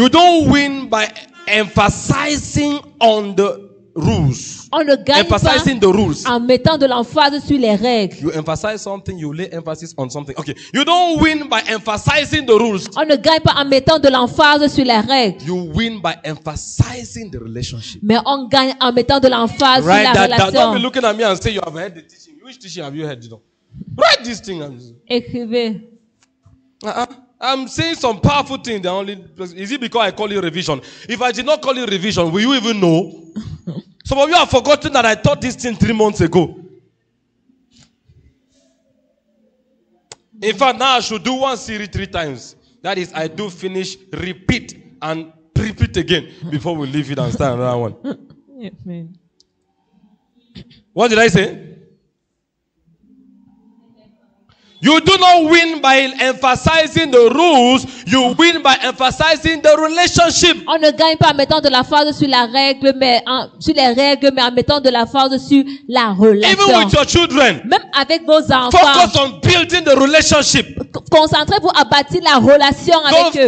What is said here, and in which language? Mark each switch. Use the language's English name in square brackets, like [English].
[English] You don't win by emphasizing on the rules. [French] On ne gagne [English] emphasizing [French] pas [English] the rules. [French] En mettant de l'emphase sur les règles. [English] You emphasize something, you lay emphasis on something. Okay. You don't win by emphasizing the rules. On ne gagne pas en mettant de l'emphase sur les règles. You win by emphasizing the relationship. Mais on gagne en mettant de l'emphase sur la relation. Don't be looking at me and say you have heard the teaching. Which teaching have you heard, you know? Write this thing. [French] Écrivez. [English] I'm saying some powerful things. The only is it because I call it revision? If I did not call it revision, will you even know? Some of you have forgotten that I taught this thing 3 months ago. In fact, now I should do one series 3 times. That is, I do finish, repeat, and repeat again before we leave it and start another one. What did I say? You do not win by emphasizing the rules. You win by emphasizing the relationship. [French] On ne gagne pas en mettant de la force sur la règle, mais en mettant de la force sur la relation. [English] Even with your children. [French] Même avec vos enfants. [English] Focus on building the relationship. [French] Concentrez-vous à bâtir la relation avec eux.